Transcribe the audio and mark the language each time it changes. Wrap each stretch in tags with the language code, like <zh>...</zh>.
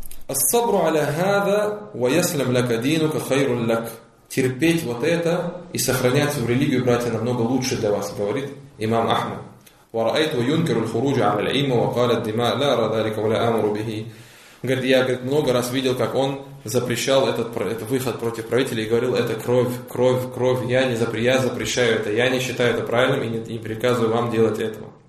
<ar>الصبر على هذا ويسلم لك دينك خير لك.</ar> <ru>Терпеть вот это и сохранять в религию, братья, намного лучше для вас, говорит имам Ахмад.</ru> <ar>ورأيته ينكر الخروج على العلم وقال الدماء لا أرى ذلك ولا أمر به.</ar> <ru>Говорит, я, говорит, много раз видел, как он запрещал этот выход против правителей и говорил, это кровь, кровь, кровь, я запрещаю это, я не считаю это правильным и не приказываю вам делать этого.</ru>